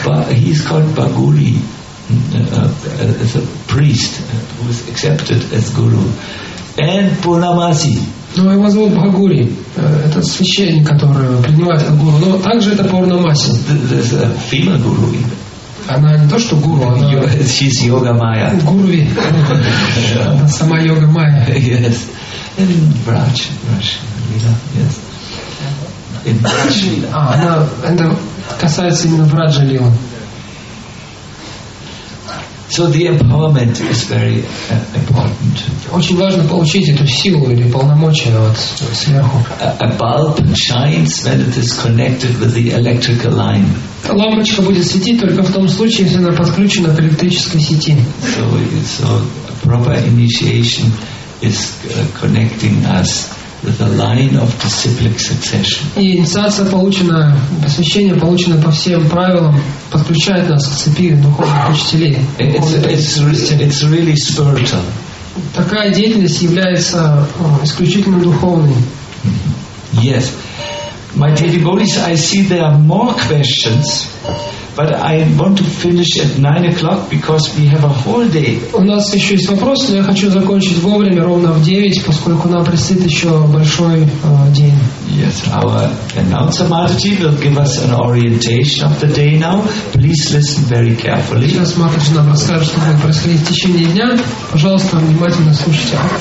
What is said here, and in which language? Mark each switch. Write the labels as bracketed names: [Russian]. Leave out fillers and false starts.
[English] He is called Baguri, as a priest who is accepted as guru, and Purnamasi. [Russian] Ну, его зовут Багури. Это священник, который принимает как гуру. Но также это Пурнамаси. [English] There's a female guru. [Russian] Она не то что гуру, [English] she's Yoga Maya. [Russian] Гуруви. Она сама Йога Майя. [English] Yes. And Vraj, yes. In [Russian] Она, это касается именно Враджа Лилы. [English] So the empowerment is very important. [Russian] Очень важно получить эту силу или полномочия вот сверху. [English] A bulb shines when it is connected with the electrical line. [Russian] Лампочка будет светить только в том случае, если она подключена к электрической сети. [English] So proper initiation is connecting us with the line of disciplic succession. [Russian] И инициация получена, посвящение получено по всем правилам, подключает нас к цепи духовных учителей. [English] It's really spiritual. [Russian] Такая деятельность является исключительно духовной. [English] Yes. My dear devotees, I see there are more questions, but I want to finish at 9 o'clock because we have a whole day. [Russian] У нас еще есть вопросы, но я хочу закончить вовремя, ровно в 9, поскольку нам предстоит еще большой день. [English] Yes, our announcer Mataji will give us an orientation of the day now. Please listen very carefully. [Russian] Сейчас Мартин нам расскажет, что будет происходить в течение дня. Пожалуйста, внимательно слушайте.